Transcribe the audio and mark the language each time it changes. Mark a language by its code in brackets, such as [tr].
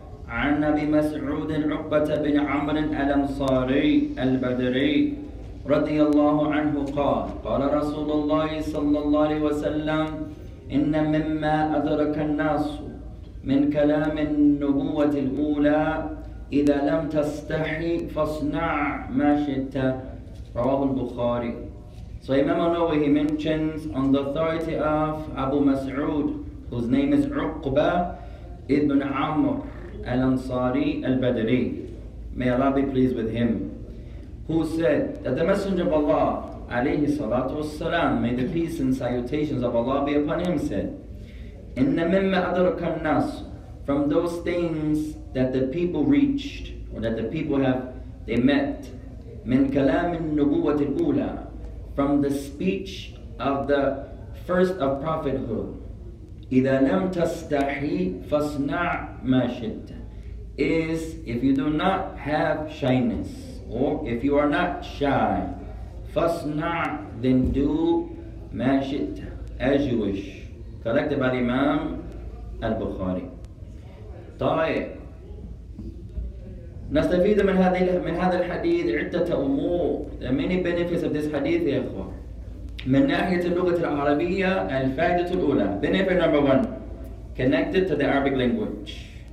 [ar] عن أبي مسعود عقبة بن عمرو الأنصاري البدري رضي الله عنه قال قال رسول الله صلى الله عليه وسلم إن مما أدرك الناس من كلام النبوة الأولى إذا لم تستحي فاصنع ما شئت رواه البخاري. [en] So Imam An-Nawawi, he mentions on the authority of Abu Mas'ud, whose name is Uqba ibn Amr al-Ansari al-Badri, may Allah be pleased with him, who said that the Messenger of Allah [ar] alayhi salatu wassalam, [en] may the peace and salutations of Allah be upon him, said, [ar] "Inna mimma adraka an-nas," [en] from those things that the people reached, or that the people have, they met, [ar] min kalam an-nubuwwah al-ula, [en] from the speech of the first of prophethood, [ar] إِذَا لَمْ تَسْتَحِي فَاصْنَعْ مَا شِئْتَ, [en] is if you do not have shyness, or if you are not shy, [ar] فَاصْنَعْ, [en] then do [ar] مَا شِئْتَ, [en] as you wish. Collected by Imam al-Bukhari. [ar] طيب نستفيد من هذا الحديث عدة أمور. [en] There are many benefits of this hadith, [ar] يا أخوة. من ناحية اللغة العربية الفائدة الأولى, [en] benefit number one, connected to the Arabic language.